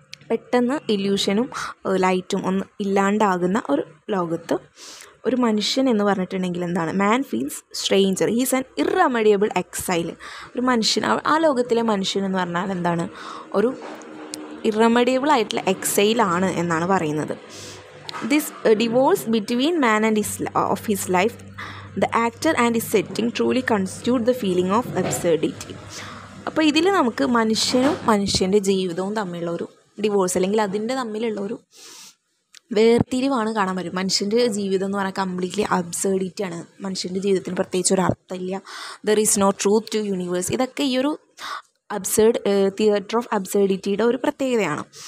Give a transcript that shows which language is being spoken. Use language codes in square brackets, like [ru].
[ml] പെട്ടെന്ന് ഇല്യൂഷനും ലൈറ്റും ഒന്ന് ഇല്ലാണ്ടാകുന്ന ഒരു ലോകത്ത് ഒരു മനുഷ്യൻ എന്ന് പറഞ്ഞിട്ടുണ്ടെങ്കിൽ എന്താണ്, [en] Man feels stranger, he's an irremediable exile. [ml] ഒരു മനുഷ്യൻ, ആ ലോകത്തിലെ മനുഷ്യൻ എന്ന് പറഞ്ഞാൽ എന്താണ്, ഒരു ഇറമഡിയബിൾ ആയിട്ടുള്ള എക്സൈലാണ് എന്നാണ് പറയുന്നത്. [en] This divorce between man and his of his life, the actor and his setting truly constitute the feeling of absurdity. [ml] അപ്പോൾ ഇതിൽ നമുക്ക് മനുഷ്യനും മനുഷ്യൻ്റെ ജീവിതവും തമ്മിലുള്ള ഒരു ഡിവോഴ്സ് അല്ലെങ്കിൽ അതിൻ്റെ തമ്മിലുള്ള ഒരു വേർതിരിവാണ് കാണാൻ പറ്റും. മനുഷ്യൻ്റെ ജീവിതം എന്ന് പറഞ്ഞാൽ കംപ്ലീറ്റ്ലി അബ്സേർഡിറ്റി ആണ്, മനുഷ്യൻ്റെ ജീവിതത്തിന് പ്രത്യേകിച്ച് ഒരു അർത്ഥമില്ല, [en] There is no truth to universe. [ml] ഇതൊക്കെ ഈ ഒരു അബ്സേർഡ് തിയേറ്റർ ഓഫ് അബ്സേർഡിറ്റിയുടെ ഒരു പ്രത്യേകതയാണ്.